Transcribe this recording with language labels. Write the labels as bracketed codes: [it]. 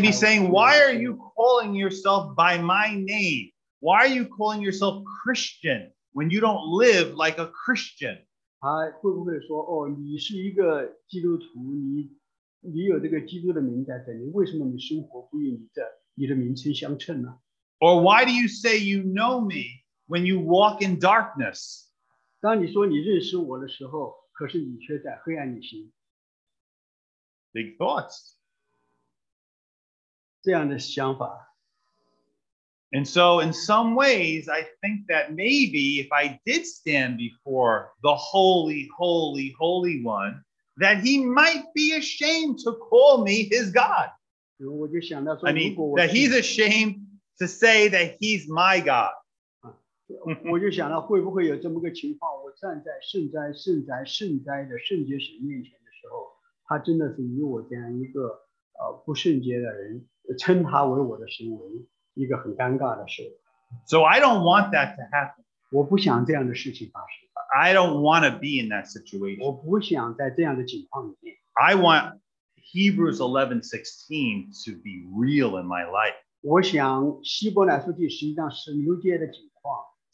[en] be saying, "Why are you calling yourself by my name? Why are you calling yourself Christian when you don't live like a Christian?" [zh] 他会不会说，哦，你是一个基督徒，你有这个基督的名在这里，为什么你生活不与你的名称相称呢？ [en] Or why do you say you know me when you walk in darkness? [zh] 当你说你认识我的时候，可是你却在黑暗里行。 [en] Big thoughts. [zh] 这样的想法。 [en] And so in some ways, I think that maybe if I did stand before the holy, holy, holy one, that he might be ashamed to call me his God. I mean, that he's ashamed to say that he's my God. [zh] 我就想到会不会有这么个情况，我站在圣哉圣哉圣哉的圣洁神面前的时候，他真的是以我这样一个不圣洁的人称他为我的神为一个很尴尬的事。 [en] So I don't want that to happen. [zh] 我不想这样的事情发生。 [en] I don't want to be in that situation. [zh] 我不想在这样的情况里面。 [en] I want Hebrews 11:16 to be real in my life. [zh] 我想希伯来书第十一章十六节的情况。